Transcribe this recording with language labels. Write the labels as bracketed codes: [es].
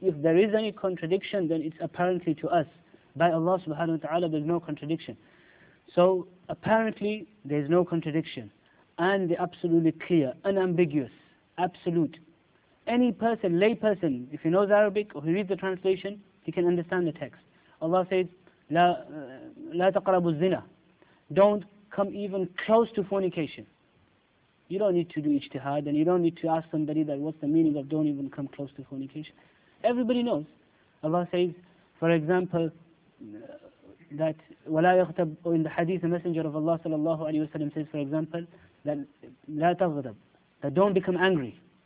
[en] If there is any contradiction, then it's apparently to us. By Allah subhanahu wa ta'ala, there's no contradiction. So, apparently, there's no contradiction. And they're absolutely clear, unambiguous, absolute. Any person, lay person, if he knows Arabic or he reads the translation, he can understand the text. Allah says, [ar] لا تقربوا الزنا. [en] Don't come even close to fornication. You don't need to do ijtihad, and you don't need to ask somebody that what's the meaning of don't even come close to fornication. Everybody knows. Allah says, for example, that [ar] ولا يغتب, [en] or in the hadith, the Messenger of Allah sallallahu alaihi wasallam says, for example, that [ar] لا تغضب, [en] that don't become angry.